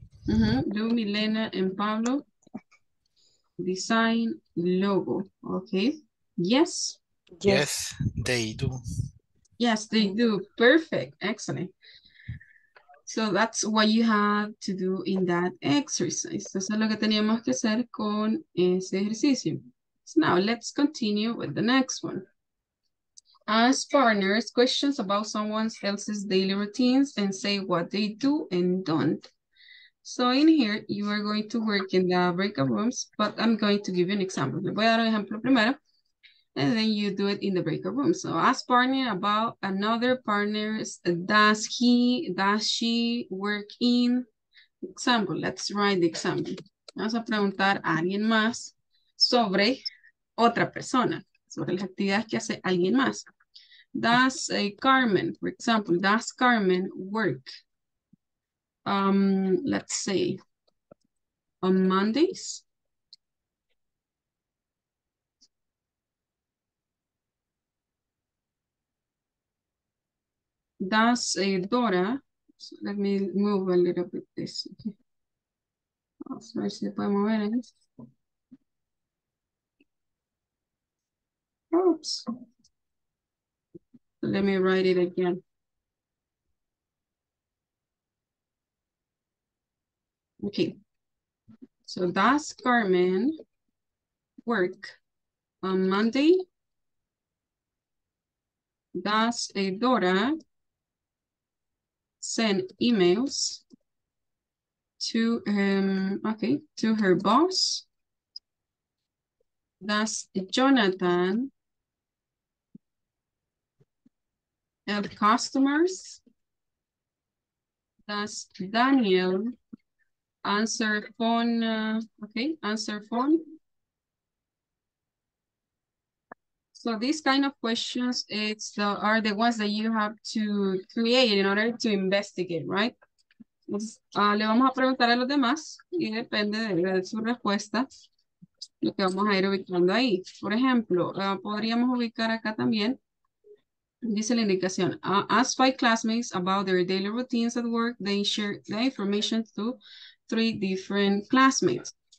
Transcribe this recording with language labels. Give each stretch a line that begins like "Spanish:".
English: Do Milena and Pablo design logo. Okay. Yes. Yes, they do. Yes, they do. Perfect. Excellent. So that's what you have to do in that exercise.
Spanish: Eso es lo que teníamos que hacer con ese ejercicio.
English: So now let's continue with the next one. As partners, questions about someone else's daily routines and say what they do and don't. So in here, you are going to work in the breakout rooms, but I'm going to give you an example.
Spanish: Le voy a dar un ejemplo primero,
English: and then you do it in the breakout room. So ask partner about another partner's, does he, does she work in? Example, let's write the example.
Spanish: Vamos a preguntar a alguien más sobre otra persona, sobre las actividades que hace alguien más.
English: Does Carmen, for example, does Carmen work? Let's say, on Mondays? Does Dora, so let me move a little bit this.
Spanish: Vamos a ver si se puede mover en esto.
English: Oops. Let me write it again. Okay. So does Carmen work on Monday? Does Dora send emails to okay, to her boss. Does Jonathan help customers? Does Daniel answer phone? Okay, answer phone. So these kind of questions, it's the, are the ones that you have to create in order to investigate, right?
Spanish: Le vamos a preguntar a los demás y depende de su respuesta lo que vamos a ir ubicando ahí. Por ejemplo, podríamos ubicar acá también, dice la indicación,
English: ask 5 classmates about their daily routines at work, they share the information to 3 different classmates.